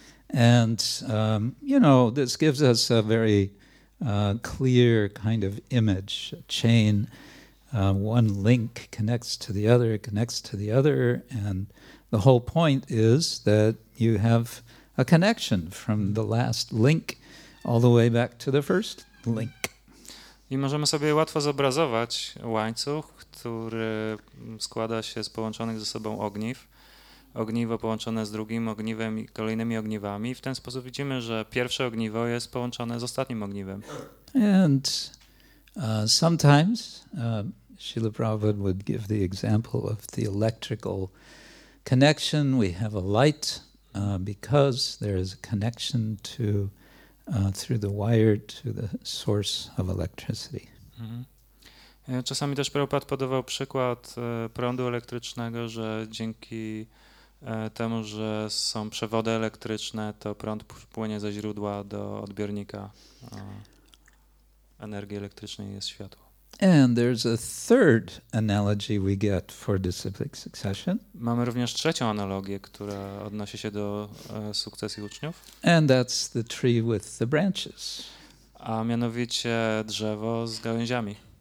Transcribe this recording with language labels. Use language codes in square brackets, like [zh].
[en] And, you know, this gives us a very clear kind of image, a chain. One link connects to the other, it connects to the other, and the whole point is that you have a connection from the last link all the way back to the first link. [pl] I możemy sobie łatwo zobrazować łańcuch, który składa się z połączonych ze sobą ogniw. Ogniwo połączone z drugim ogniwem i kolejnymi ogniwami. W ten sposób widzimy, że pierwsze ogniwo jest połączone z ostatnim ogniwem. [en] And sometimes Srila Prabhupada would give the example of the electrical connection. We have a light because there is a connection to through the wire to the source of electricity. [pl] Czasami też Prabhupada podawał przykład prądu elektrycznego, że dzięki temu, że są przewody elektryczne, to prąd płynie ze źródła do odbiornika energii elektrycznej jest światło. [en] And there's a third analogy we get for disciplic succession. [pl] Mamy również trzecią analogię, która odnosi się do sukcesji uczniów. [en] And that's the tree with the branches. [pl] A mianowicie drzewo z gałęziami.